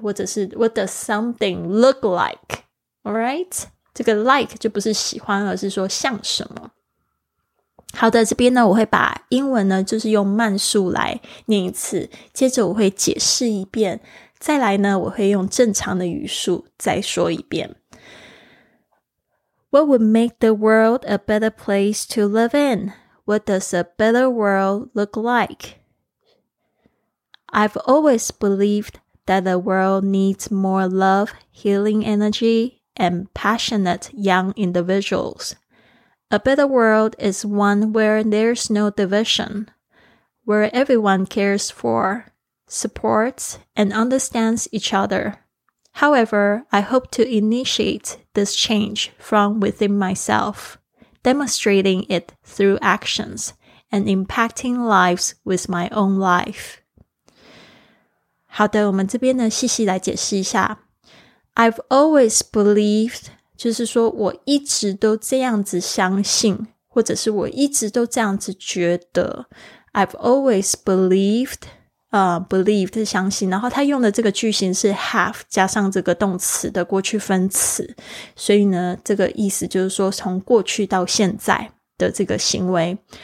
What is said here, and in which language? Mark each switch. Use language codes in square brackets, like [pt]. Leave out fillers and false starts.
[zh] 或者是 [en] What does something look like? Alright? [zh] 这个 like 就不是喜欢，而是说像什么。好的，这边呢我会把英文呢就是用慢速来念一次，接着我会解释一遍，再来呢我会用正常的语速再说一遍。 [en] What would make the world a better place to live in? What does a better world look like? I've always believed that the world needs more love, healing energy, and passionate young individuals. A better world is one where there's no division, where everyone cares for, supports, and understands each other. However, I hope to initiate this change from within myself, demonstrating it through actions and impacting lives with my own life. [zh] 好的，我们这边呢细细来解释一下。 [en] I've always believed [zh] 就是说我一直都这样子相信，或者是我一直都这样子觉得。 [en] I've always believed believed [zh] 是相信，然后他用的这个句型是 have 加上这个动词的过去分词，所以呢这个意思就是说从过去到现在的这个行为。